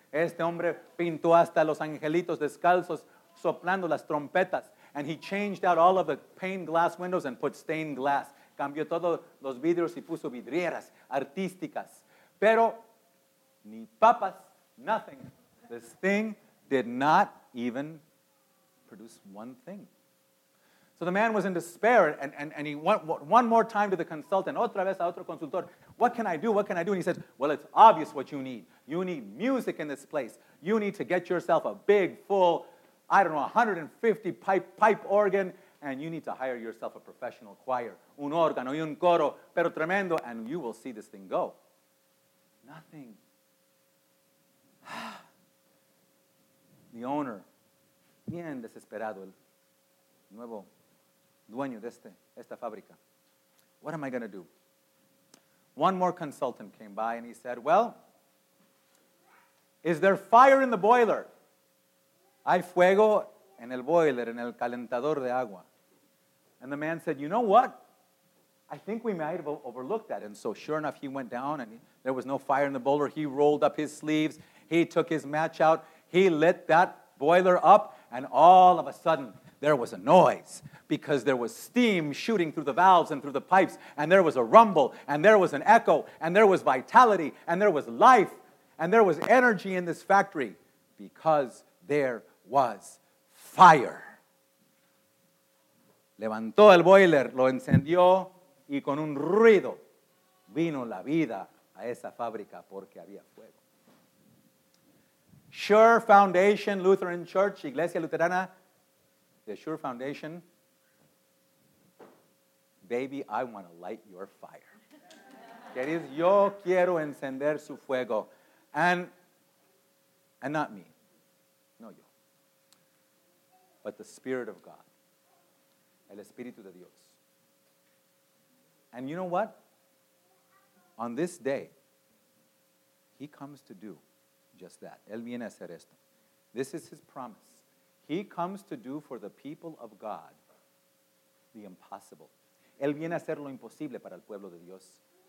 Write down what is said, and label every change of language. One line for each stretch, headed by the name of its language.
Spanish: Este hombre pintó hasta los angelitos descalzos, soplando las trompetas.
English: And he changed out all of the pane glass windows and put stained glass.
Spanish: Cambió todos los vidrios y puso vidrieras artísticas. Pero ni papas,
English: nothing. This thing did not even produce one thing. So the man was in despair, and he went one more time to the consultant.
Spanish: Otra vez a otro consultor.
English: "What can I do? What can I do?" And he says, "Well, it's obvious what you need. You need music in this place. You need to get yourself a big, full, I don't know, 150 pipe organ, and you need to hire yourself a professional choir.
Spanish: Un órgano y un coro, pero tremendo,
English: and you will see this thing go." Nothing. The owner,
Spanish: bien desesperado, el nuevo dueño de esta fábrica.
English: "What am I going to do?" One more consultant came by and he said, "Well, is there fire in the boiler?"
Spanish: "Hay fuego en el boiler, en el calentador de agua."
English: And the man said, "You know what? I think we might have overlooked that." And so sure enough, he went down and there was no fire in the boiler. He rolled up his sleeves. He took his match out. He lit that boiler up, and all of a sudden, there was a noise, because there was steam shooting through the valves and through the pipes, and there was a rumble, and there was an echo, and there was vitality, and there was life, and there was energy in this factory, because there was fire.
Spanish: Levantó el boiler, lo encendió, y con un ruido vino la vida a esa fábrica porque había fuego.
English: Sure Foundation Lutheran Church, Iglesia Luterana, the Sure Foundation, baby, I want to light your fire.
Spanish: Queridos, yo quiero encender su fuego.
English: And not me.
Spanish: No, yo.
English: But the Spirit of God.
Spanish: El Espíritu de Dios.
English: And you know what? On this day, he comes to do just that.
Spanish: Él viene a hacer esto.
English: This is his promise. He comes to do for the people of God the impossible.
Spanish: Él viene a hacer lo imposible para el pueblo de Dios.